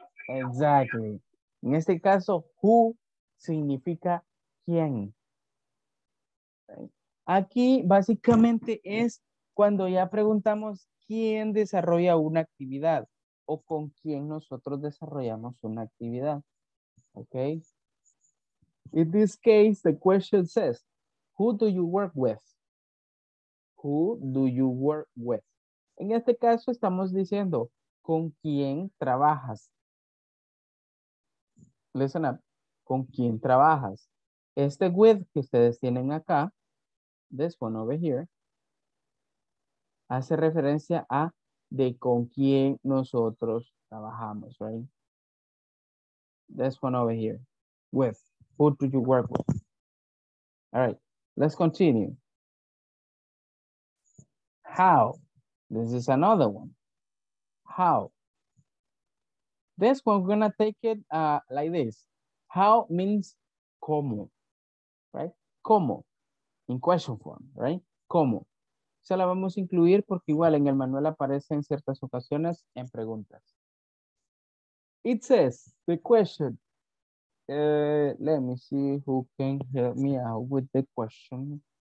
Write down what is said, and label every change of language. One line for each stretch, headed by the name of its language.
English: Exactly.
Spanish: En este caso, who significa quién. Aquí básicamente es cuando ya preguntamos quién desarrolla una actividad o con quién nosotros desarrollamos una actividad.
English: Okay. In this case, the question says, who do you work with? Who do you work with?
Spanish: En este caso estamos diciendo, ¿con quién trabajas?
English: Listen up.
Spanish: ¿Con quién trabajas? Este with que ustedes tienen acá,
English: this one over here,
Spanish: hace referencia a de con quién nosotros trabajamos, right?
English: This one over here.
Spanish: With.
English: Who do you work with? All right. Let's continue. How? This is another one. How? This one, we're going to take it like this. How means cómo, right? Cómo. In question form, right? Cómo.
Spanish: Se la vamos a incluir porque igual en el manual aparece en ciertas ocasiones en preguntas.
English: It says, the question. Let me see who can help me out with the question.